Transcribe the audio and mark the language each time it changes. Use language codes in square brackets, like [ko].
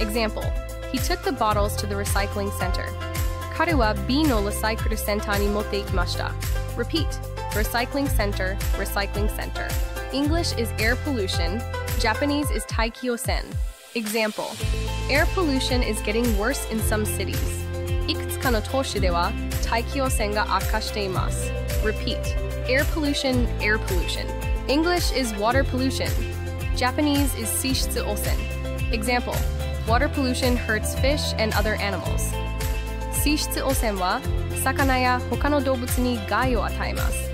[en] Example, he took the bottles to the recycling center. [ja] 彼は瓶のリサイクルセンターに持って行きました. [en] Repeat, recycling center, recycling center. English is air pollution. Japanese is 大気汚染.Example, air pollution is getting worse in some cities. [ja] いくつかの都市では大気汚染が悪化しています. [en] Repeat. Air pollution, air pollution. English is water pollution. Japanese is 水質汚染. Example, water pollution hurts fish and other animals. [ja] 水質汚染は魚や他の動物に害を与えます.